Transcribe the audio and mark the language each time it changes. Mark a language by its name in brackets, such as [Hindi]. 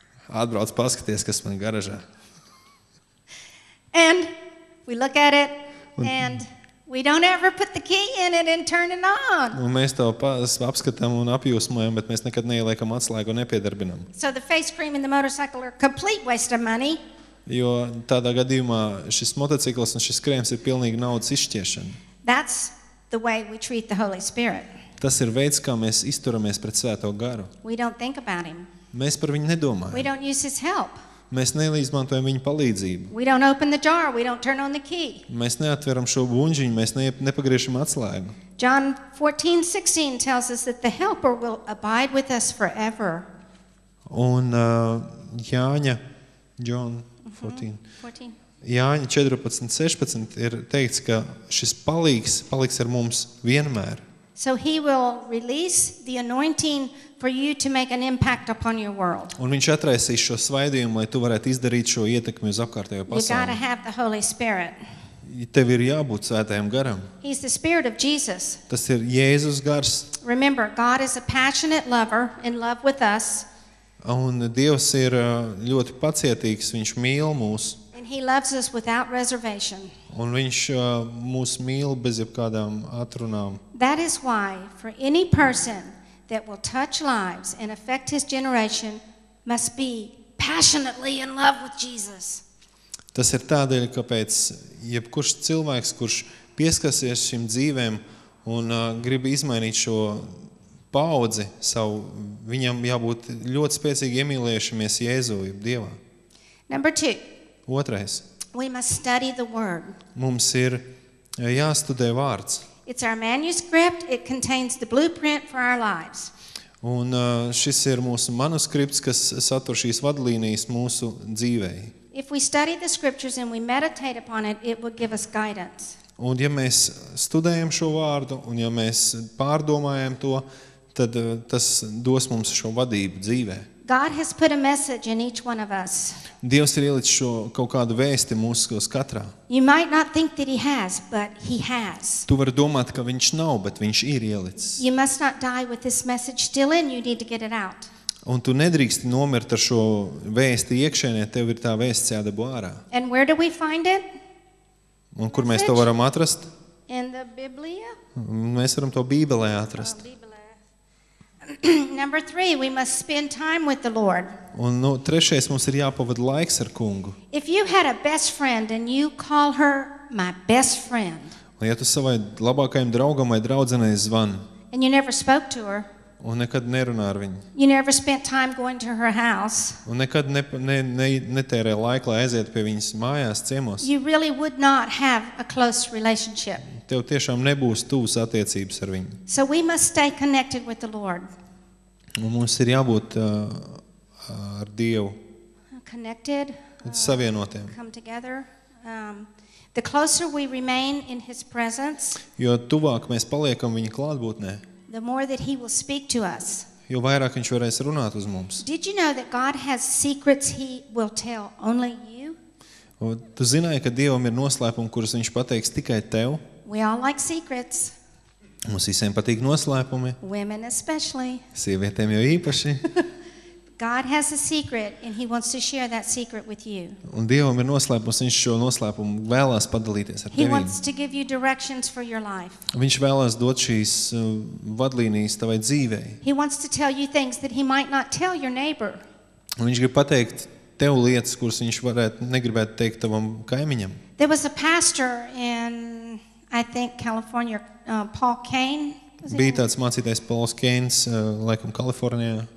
[Latvian] Atbrauc paskaties, kas man garažā. [English] And we look at it and we don't ever put the key in it and turn it on. [Latvian] Un mēs to apskatām un apjūsmojam, bet mēs nekad neieliekam atslēgu un nepiedarbinam. [English] So the face cream and the motorcycle are complete waste of money. [Latvian] Jo tādā gadījumā šis motocikls un šis krēms ir pilnīgi naudas izšķiešana. [English] That's the way we treat the Holy Spirit. [Latvian] Tas ir veids, kā mēs izturamies pret Svēto Garu. [English] We don't think about him. [Latvian] Mēs par viņu nedomājam. [English] We don't use his help. [Latvian] Mēs neizmantojam viņa palīdzību. [English] We don't open the jar, we don't turn on the key. [Latvian] Mēs neatveram šo bundziņu, mēs nepagriešam atslēgu. [English] John 14:16 tells us that the helper will abide with us forever. [Latvian] Un Jāņa, John 14. Jāņa 14:16 ir teikts, ka šis palīgs paliks ar mums vienmēr. [English] So he will release the anointing for you to make an impact upon your world. [Latvian] Un viņš atraisīs šo svaidījumu, lai tu varētu izdarīt šo ietekmi uz apkārtējo pasauli. [English] You gotta have the Holy Spirit. [Latvian] Tev ir jābūt Svētajam Garam. [English] He's the Spirit of Jesus. [Latvian] Tas ir Jēzus Gars. [English] Remember, God is a passionate lover in love with us. [Latvian] Un Dievs ir ļoti pacietīgs, viņš mīl mūs. [English] And he loves us without reservation. [Latvian] Un viņš mūs mīl bez jebkādām atrunām. [English] That is why for any person that will touch lives and affect his generation must be passionately in love with Jesus. [Latvian] Tas ir tādēļ, kāpēc jebkurš cilvēks, kurš pieskasies šim dzīvēm un grib izmainīt šo paudzi savu, viņam jābūt ļoti spēcīgi iemīlējušamies Jēzū, jeb Dievā. [English] Number two. [Latvian] Otrais. [English] We must study the word. [Latvian] Mums ir jāstudē vārds. [English] It's our manuscript, it contains the blueprint for our lives. [Latvian] Un šis ir mūsu manuskripts, kas satur šīs vadlīnijas mūsu dzīvei. [English] If we study the scriptures and we meditate upon it, it will give us guidance. [Latvian] Un ja mēs studējam šo vārdu un ja mēs pārdomājam to, tad tas dos mums šo vadību dzīvē. [English] God has put a message in each one of us. [Latvian] Dievs ir ielicis šo kaut kādu vēsti mūsos katrā. [English] You might not think that he has, but he has. [Latvian] Tu vari domāt, ka viņš nav, bet viņš ir ielicis. [English] You must not die with this message still in, you need to get it out. [Latvian] Un tu nedrīksti nomirt ar šo vēsti iekšēnē, tev ir tā vēsts jādabū ārā. [English] And where do we find it? [Latvian] Un kur mēs to varam atrast? [English] In the Biblia? [Latvian] Mēs varam to Bībelē atrast. [English] Number 3, we must spend time with the Lord. [Latvian] Un nu, trešais mums ir jāpavada laiks ar Kungu. [English] If you had a best friend and you call her my best friend. [Latvian] Un ja tu savai labākajam draugam vai draudzenei zvani. [English] And you never spoke to her. [Latvian] Un nekad nerunā ar viņu. [English] You never spent time going to her house. [Latvian] Un nekad netērē laiku, lai aizietu pie viņas mājās, ciemos. [English] You really would not have a close relationship. [Latvian] Tev tiešām nebūs tūs attiecības ar viņu. [English] So we must stay connected with the Lord. [Latvian] Un mums ir jābūt ar Dievu. [English] Connected. [Latvian] Savienotiem. [English] Come together. The closer we remain in his presence. [Latvian] Jo tuvāk mēs paliekam viņa klātbūtnē. [English] The more that he will speak to us. [Latvian] Jo vairāk viņš varēs runāt uz mums. [English] Did you know that God has secrets he will tell only you? [Latvian] Tu zināji, ka Dievam ir noslēpumi, kurus viņš pateiks tikai tev? [English] We all like secrets. [Latvian] Mums visiem patīk noslēpumi. [English] Women especially. [Latvian] Sievietēm jau īpaši. [English] God has a secret and he wants to share that secret with you. [Latvian] Un Dievam ir noslēpums, viņš šo noslēpumu vēlās padalīties ar tevi. [English] He wants to give you directions for your life. [Latvian] Viņš vēlās dot šīs vadlīnijas tavai dzīvei. [English] He wants to tell you things that he might not tell your neighbor. [Latvian] Un viņš grib pateikt tev lietas, kuras viņš varētu negribēt teikt tavam kaimiņam. [English] There was a pastor in I think California Paul Kane. [Latvian] Bija tāds mācītājs Pauls Keins, laikam Kalifornijā.